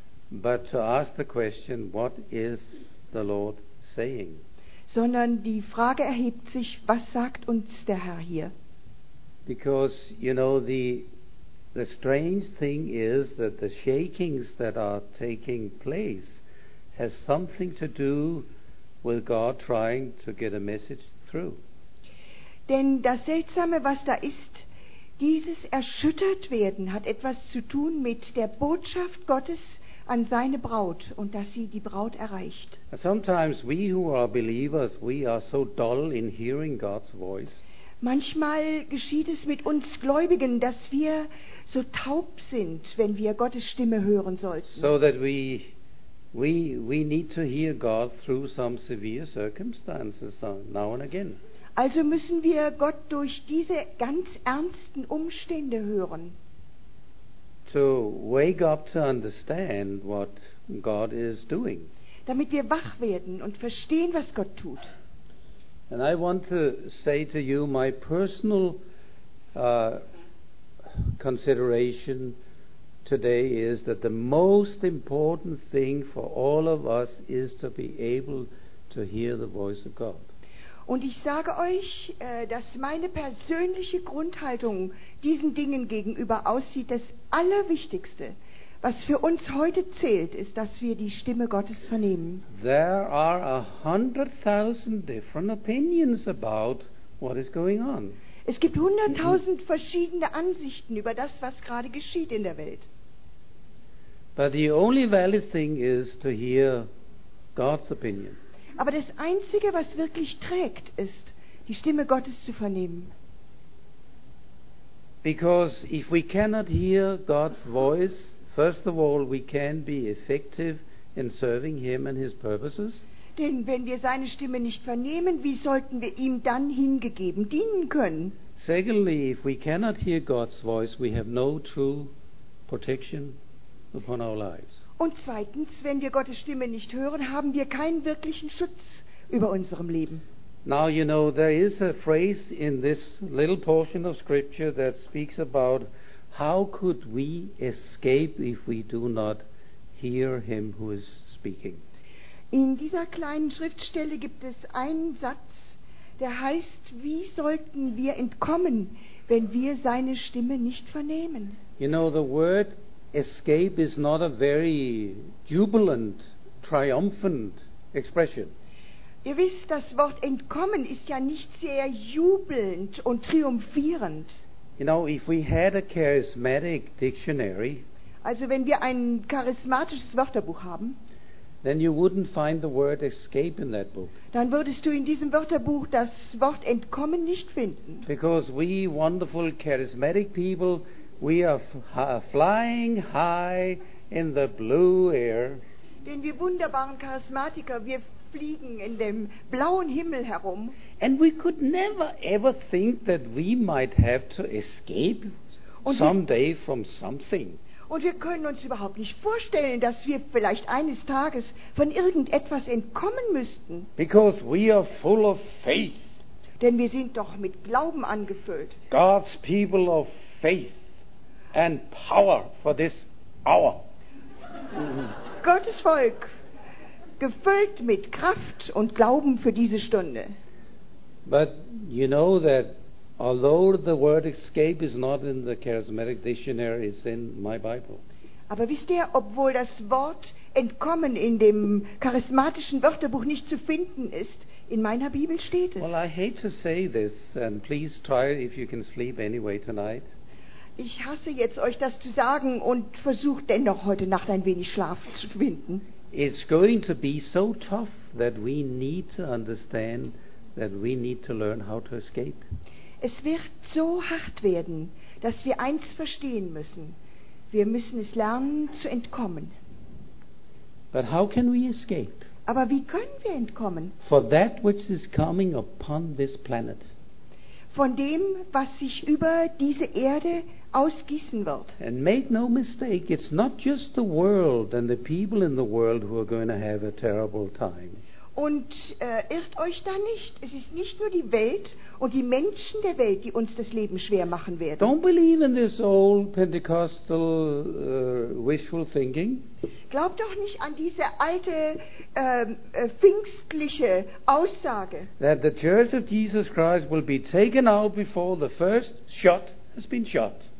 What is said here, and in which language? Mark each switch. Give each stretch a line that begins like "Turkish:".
English: but to ask the question, what is the Lord saying?
German: Sondern die Frage erhebt sich, was sagt uns der Herr hier?
English: Because, you know, the strange thing is that the shakings that are taking place has something to do with God trying to get a message through.
German: Denn das Seltsame, was da ist, dieses Erschüttertwerden hat etwas zu tun mit der Botschaft Gottes an seine Braut und dass sie die Braut erreicht.
English: Sometimes we who are believers, we are so dull in hearing God's voice.
German: Manchmal geschieht es mit uns Gläubigen, dass wir so taub sind, wenn wir Gottes Stimme hören sollten.
English: So that we need to hear God through some severe circumstances now and again.
German: Also müssen wir Gott durch diese ganz ernsten Umstände hören.
English: To wake up to understand what God is doing.
German: Damit wir wach werden und verstehen, was Gott tut.
English: And I want to say to you my personal consideration today is that the most important thing for all of us is to be able to hear the voice of God.
German: Und ich sage euch, dass meine persönliche Grundhaltung diesen Dingen gegenüber aussieht, das Allerwichtigste, was für uns heute zählt, ist, dass wir die Stimme Gottes vernehmen.
English: There are 100,000 different opinions about what is going on.
German: Es gibt 100,000 verschiedene Ansichten über das, was gerade geschieht in der Welt.
English: But the only valid thing is to hear God's opinion.
German: Aber das Einzige, was wirklich trägt, ist, die Stimme Gottes zu vernehmen.
English: Because if we cannot hear God's voice, first of all, we can be effective in serving him and his purposes.
German: Denn wenn wir seine Stimme nicht vernehmen, wie sollten wir ihm dann hingegeben dienen können?
English: Secondly, if we cannot hear God's voice, we have no true protection upon our lives.
German: Und zweitens, wenn wir Gottes Stimme nicht hören, haben wir keinen wirklichen Schutz über unserem Leben.
English: Now you know there is a phrase in this little portion of scripture that speaks about how could we escape if we do not hear him who is speaking.
German: In dieser kleinen Schriftstelle gibt es einen Satz, der heißt, wie sollten wir entkommen, wenn wir seine Stimme nicht vernehmen?
English: You know, the word escape is not a very jubilant, triumphant expression.
German: Ihr wisst, das Wort entkommen ist ja nicht sehr jubelnd und triumphierend.
English: You know, if we had a charismatic dictionary,
German: also wenn wir ein charismatisches Wörterbuch haben,
English: then you wouldn't find the word escape in that book.
German: Dann würdest du in diesem Wörterbuch das Wort entkommen nicht finden.
English: Because we wonderful charismatic people, we are flying high in the blue air.
German: Denn wir wunderbaren Charismatiker, wir fliegen in dem blauen Himmel herum.
English: And we could never ever think that we might have to escape someday from something.
German: Und wir können uns überhaupt nicht vorstellen, dass wir vielleicht eines Tages von irgendetwas entkommen müssten.
English: Because we are full of faith.
German: Denn wir sind doch mit Glauben angefüllt.
English: God's people of faith and power for this hour.
German: Gottes Volk, gefüllt mit Kraft und Glauben für diese Stunde.
English: But you know that although the word escape is not in the charismatic dictionary, it's in my Bible.
German: Aber wisst ihr, obwohl das Wort entkommen in dem charismatischen Wörterbuch nicht zu finden ist, in meiner Bibel steht es.
English: Well, I hate to say this, and please try if you can sleep anyway tonight.
German: Ich hasse jetzt euch das zu sagen und versucht dennoch heute Nacht ein wenig Schlaf zu finden.
English: It's going to be so tough that we need to understand that we need to learn how to escape.
German: Es wird so hart werden, dass wir eins verstehen müssen. Wir müssen es lernen, zu entkommen.
English: But how can we escape?
German: Aber wie können wir entkommen?
English: For that which is coming upon this planet.
German: Von dem, was sich über diese Erde ausgießen wird.
English: And make no mistake, it's not just the world and the people in the world who are going to have a terrible time.
German: Und irrt euch da nicht. Es ist nicht nur die Welt und die Menschen der Welt, die uns das Leben schwer machen werden.
English: Don't believe in this old Pentecostal wishful thinking.
German: Glaubt doch nicht an diese alte pfingstliche Aussage.
English: That the church of Jesus Christ will be taken out before the first shot has been shot.